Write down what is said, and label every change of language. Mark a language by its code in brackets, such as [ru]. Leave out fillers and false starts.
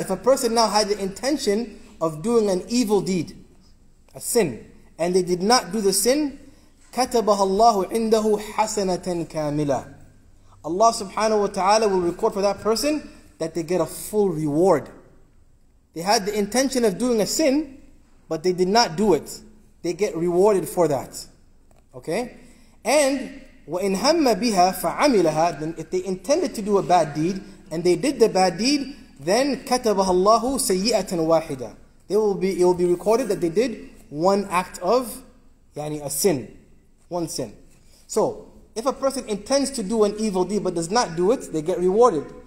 [en] If a person now had the intention of doing an evil deed, a sin, and they did not do the sin, [ar] كَتَبَهَا اللَّهُ عِنْدَهُ حَسَنَةً كَامِلَةً. [en] Allah subhanahu wa ta'ala will record for that person that they get a full reward. They had the intention of doing a sin, but they did not do it. They get rewarded for that. Okay? And, [ar] وَإِنْ هَمَّ بِهَا فَعَمِلَهَا. [en] Then if they intended to do a bad deed, and they did the bad deed, then [ar] كَتَبَهَا اللَّهُ سَيِّئَةً وَاحِدًا. [en] It will be recorded that they did one act of yani a sin, one sin. So, if a person intends to do an evil deed but does not do it, they get rewarded.